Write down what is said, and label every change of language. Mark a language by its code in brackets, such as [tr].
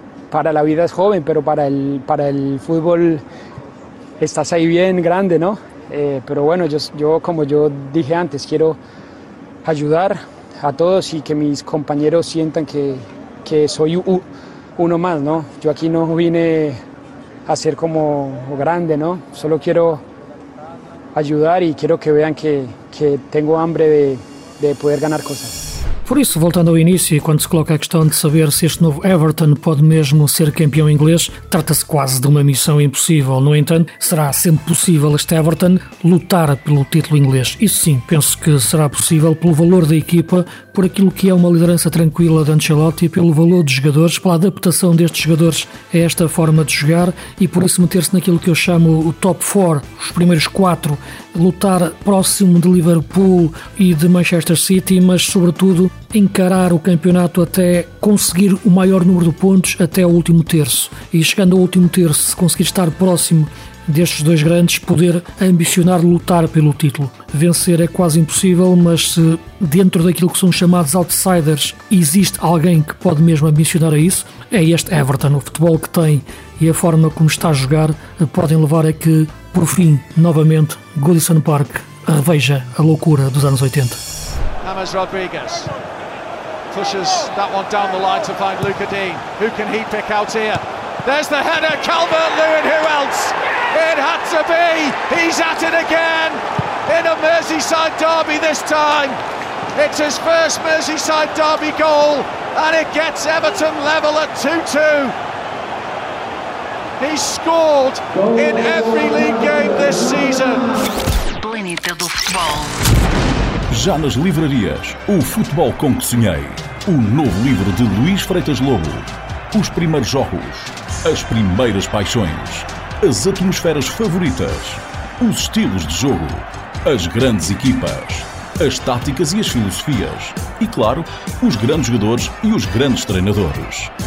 [pt] Para a vida é jovem, mas para o futebol estás aí bem grande, não? [es] Mas, bueno, yo, como eu dije antes, [pt] quero ajudar a todos e [es] que mis compañeros sientam que soy uno más, ¿no? Yo aquí no vine a ser como grande, ¿no? Solo quiero ayudar y quiero que vean que tengo hambre de poder ganar cosas. [pt] Por isso, voltando ao início, quando se coloca a questão de saber se este novo Everton pode mesmo ser campeão inglês, trata-se quase de uma missão impossível. No entanto, será sempre possível este Everton lutar pelo título inglês. Isso sim, penso que será possível pelo valor da equipa, por aquilo que é uma liderança tranquila de Ancelotti, pelo valor dos jogadores, pela adaptação destes jogadores a esta forma de jogar e por isso meter-se naquilo que eu chamo o top 4, os primeiros 4, lutar próximo de Liverpool e de Manchester City, mas sobretudo encarar o campeonato até conseguir o maior número de pontos até o último terço. E chegando ao último terço, se conseguir estar próximo destes dois grandes, poder ambicionar lutar pelo título. Vencer é quase impossível, mas se dentro daquilo que são chamados outsiders existe alguém que pode mesmo ambicionar a isso, é este Everton. O futebol que tem e a forma como está a jogar podem levar a que, por fim, novamente, Goodison Park reveja a loucura dos anos 80. James Rodriguez. [en] pushes that one down the line to find Luca Dean. Who can he pick out here? There's the header, Calvert-Lewin, who else? It had to be, he's at it again, in a Merseyside derby this time. It's his first Merseyside derby goal, and it gets Everton level at 2-2. He's scored in every league game this season. [pt] Planeta do Futebol. Já nas livrarias, O Futebol com que Sonhei. O novo livro de Luís Freitas Lobo. Os primeiros jogos, as primeiras paixões, as atmosferas favoritas, os estilos de jogo, as grandes equipas, as táticas e as filosofias, e claro, os grandes jogadores e os grandes treinadores.